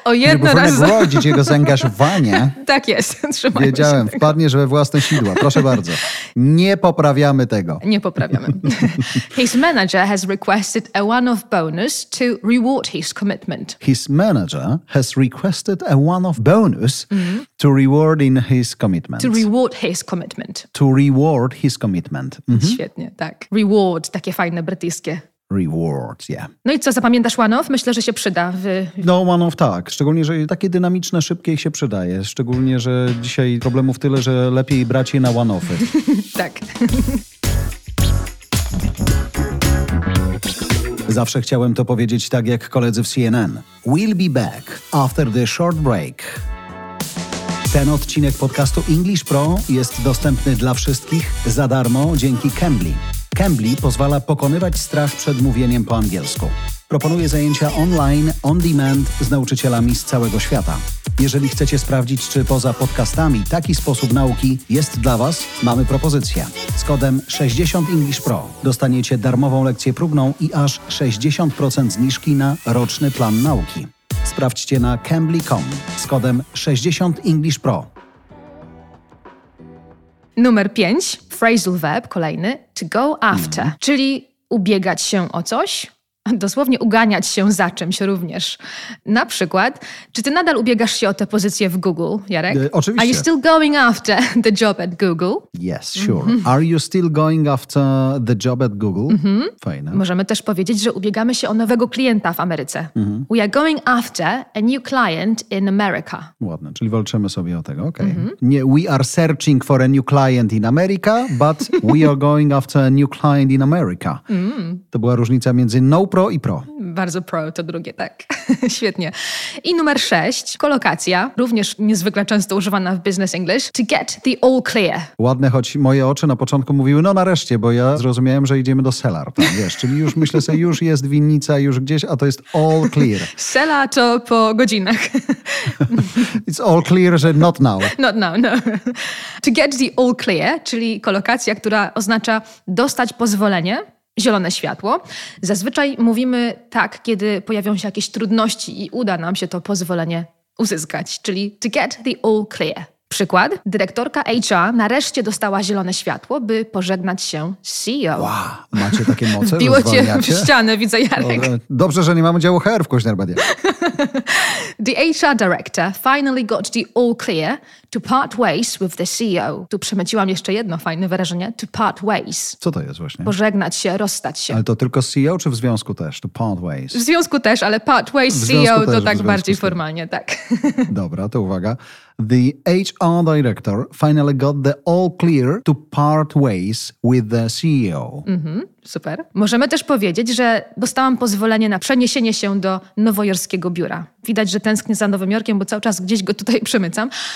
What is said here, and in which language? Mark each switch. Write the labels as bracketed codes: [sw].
[pl] Żeby wynagrodzić jego zaangażowanie. Tak jest. Trzymajmy wiedziałem. Się wpadnie, żeby własne sidła. Proszę bardzo. Nie poprawiamy tego. Nie poprawiamy. [en] His manager has requested a one-off bonus to reward his commitment. His manager has requested a one-off bonus to reward in his commitment. To reward his commitment. To reward his commitment. [pl] Świetnie, tak. Reward, takie fajne brytyjskie. [en] Reward, yeah. [pl] No i co, zapamiętasz one-off? Myślę, że się przyda. No one-off tak, szczególnie, że takie dynamiczne, szybkie się przydaje. Szczególnie, że dzisiaj problemów tyle, że lepiej brać je na one-offy. Tak. Zawsze chciałem to powiedzieć tak jak koledzy w CNN. [en] We'll be back after the short break. [pl] Ten odcinek podcastu English Pro jest dostępny dla wszystkich za darmo dzięki Cambly. Cambly pozwala pokonywać strach przed mówieniem po angielsku. Proponuje zajęcia online, on demand z nauczycielami z całego świata. Jeżeli chcecie sprawdzić, czy poza podcastami taki sposób nauki jest dla Was, mamy propozycję. Z kodem 60ENGLISHPRO dostaniecie darmową lekcję próbną i aż 60% zniżki na roczny plan nauki. Sprawdźcie na cambly.com z kodem 60ENGLISHPRO. Numer 5, phrasal verb, kolejny, to go after, czyli ubiegać się o coś, dosłownie uganiać się za czymś również. Na przykład, czy ty nadal ubiegasz się o tę pozycję w Google, Jarek? Oczywiście. [en] Are you still going after the job at Google? Yes, sure. Mm-hmm. Are you still going after the job at Google? Mm-hmm. [pl] Fajne. Możemy też powiedzieć, że ubiegamy się o nowego klienta w Ameryce. Mm-hmm. [en] We are going after a new client in America. [pl] Ładne, czyli walczymy sobie o tego, okej. [en] Okay. Mm-hmm. Nie, we are searching for a new client in America, but we are going after a new client in America. Mm-hmm. [pl] To była różnica między no pro i pro. Bardzo pro, to drugie, tak. Świetnie. I numer 6, kolokacja, również niezwykle często używana w business English, to get the all clear. Ładne, choć moje oczy na początku mówiły, no nareszcie, bo ja zrozumiałem, że idziemy do cellar, tam, wiesz, czyli już myślę sobie, już jest winnica, już gdzieś, a to jest all clear. Cellar to po godzinach. [en] It's all clear, że not now. Not now, no. [pl] To get the all clear, czyli kolokacja, która oznacza dostać pozwolenie, zielone światło. Zazwyczaj mówimy tak, kiedy pojawią się jakieś trudności i uda nam się to pozwolenie uzyskać, czyli to get the all clear. Przykład, dyrektorka HR nareszcie dostała zielone światło, by pożegnać się z CEO. Wow, macie takie moce? Wbiło cię w ścianę, widzę, Jarek. Dobrze, że nie mamy działu HR w Kuźnierbadzie. [en] The HR director finally got the all clear to part ways with the CEO. [pl] Tu przemyciłam jeszcze jedno fajne wyrażenie, to part ways. Co to jest właśnie? Pożegnać się, rozstać się. Ale to tylko z CEO czy w związku też? [en] To part ways. [pl] W związku też, ale part ways z CEO to tak bardziej formalnie, tak. Dobra, to uwaga. [en] The HR director finally got the all clear to part ways with the CEO. Mm-hmm, super. [pl] Możemy też powiedzieć, że dostałam pozwolenie na przeniesienie się do nowojorskiego biura. Widać, że tęsknię za Nowym Jorkiem, bo cały czas gdzieś go tutaj przemycam.